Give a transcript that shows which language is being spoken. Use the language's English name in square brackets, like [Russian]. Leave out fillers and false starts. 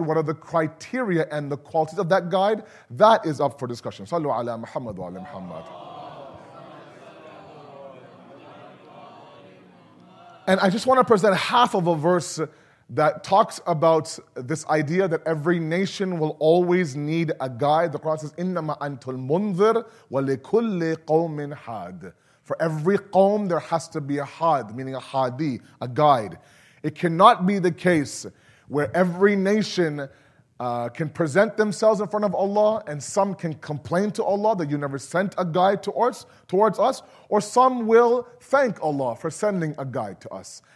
[English] What are the criteria and the qualities of that guide? That is up for discussion. [Arabic] Sallu ala Muhammad wa ala Muhammad. [English] And I just want to present half of a verse that talks about this idea that every nation will always need a guide. The Quran says, [Arabic] إِنَّمَا أَنْتُ الْمُنْذِرْ وَلِكُلِّ قَوْمٍ حَادٍ. [English] For every qawm, there has to be a had, meaning a hadi, a guide. It cannot be the case where every nation can present themselves in front of Allah and some can complain to Allah that you never sent a guide towards us, or some will thank Allah for sending a guide to us.